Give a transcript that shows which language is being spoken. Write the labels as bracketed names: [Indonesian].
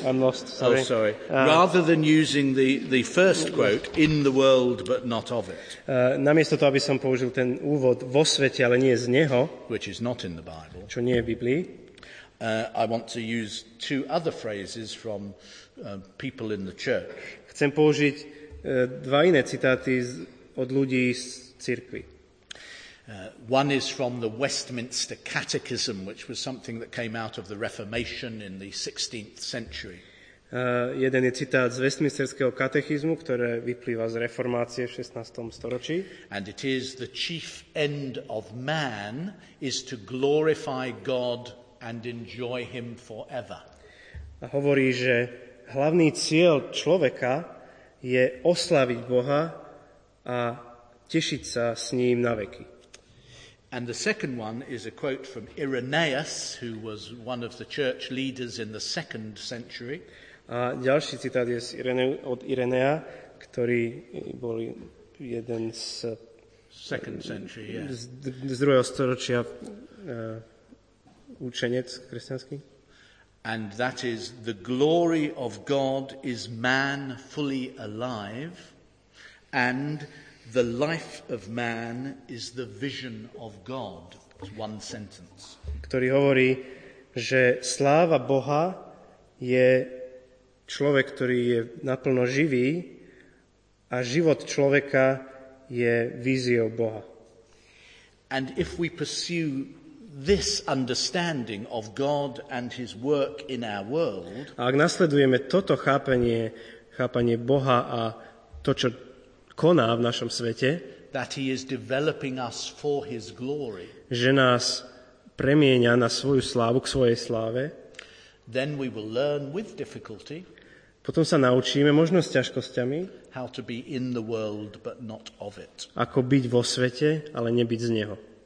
[English] I'm lost, sorry. Oh, sorry. Rather than using the first quote, in the world, but not of it. [Slovak] Namiesto toho, aby som použil ten úvod, vo svete, ale nie z neho, [English] which is not in the Bible. [Slovak] Čo nie je v Biblii. [English] I want to use two other phrases from people in the church. [Slovak] Chcem použiť dva iné citáty od ľudí z cirkvi. [English] One is from the Westminster Catechism, which was something that came out of the Reformation in the 16th century. [Slovak] Jeden je citát z Westminsterského katechizmu, ktoré vyplýva z reformácie v 16. storočí. [English] And it is the chief end of man is to glorify God and enjoy him forever. [Slovak] A hovorí, že hlavný cieľ človeka je osláviť Boha a tešiť sa s ním na veky. [English] And the second one is a quote from Irenaeus, who was one of the church leaders in the second century. [Slovak] A ďalší citát je od Irenea, ktorý bol jeden z [English] second century, [Slovak] z druhého storočia učenec kresťanský. [English] And that is the glory of God is man fully alive and the life of man is the vision of God. It's one sentence. [Slovak] Ktorý hovorí, že sláva Boha je človek, ktorý je naplno živý a život človeka je víziou Boha. [English] And if we pursue this understanding of God and his work in our world, [Slovak] ak nasledujeme toto chápanie Boha a to, čo koná v našom svete, [English] that he is developing us for his glory, [Slovak] že nás premieňa na svoju slávu, k svojej sláve, [English] then we will learn with difficulty, [Slovak] potom sa naučíme, možno s ťažkosťami, [English] how to be in the world, but not of it, [Slovak] ako byť vo svete, ale nebyť z neho.